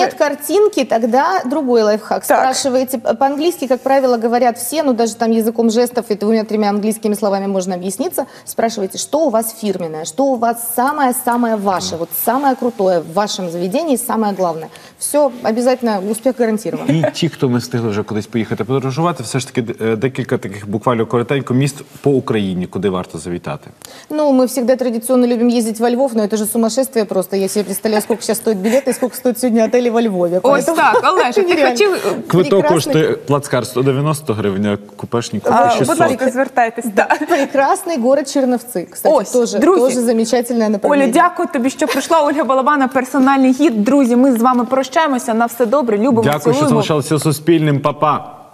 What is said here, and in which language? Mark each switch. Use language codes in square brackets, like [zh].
[ru] Нет картинки, тогда другой лайфхак. Так. Спрашиваете, по-английски, как правило, говорят все, ну, даже там языком жестов, и двумя тремя английскими словами можно объясниться. Спрашиваете, что у вас фирменное, что у вас самое-самое ваше, вот самое крутое в вашем заведении, самое главное. Все, обязательно успех гарантирован. [uk] И ті, хто ми встигли вже кудись поїхати подорожувати, все ж таки декілька таких буквально коротенько міст по Україні, куди варто завітати. Ну, ми завжди традиційно любимо їздити [ru] во Львов, но это же сумасшедше. Просто я себе представляю, сколько сейчас стоит билет и сколько стоит сегодня отели во Львове. Ось поэтому... так, Олеша, ты хочу... [uk] Квиток коштує плацкарт 190 гривень, а купешник 600. Будь ласка, звертайтесь. [ru] Да. Прекрасный город Черновцы. Кстати, ось, тоже, друзі, тоже замечательное направление. [uk] Оля, дякую тобі, що прийшла. Ольга Балабана, персональний гід. Друзі, ми з вами прощаємося. На все добре. Любимо, дякую, цілуємо. Дякую, що залишалися Суспільним. Па-па.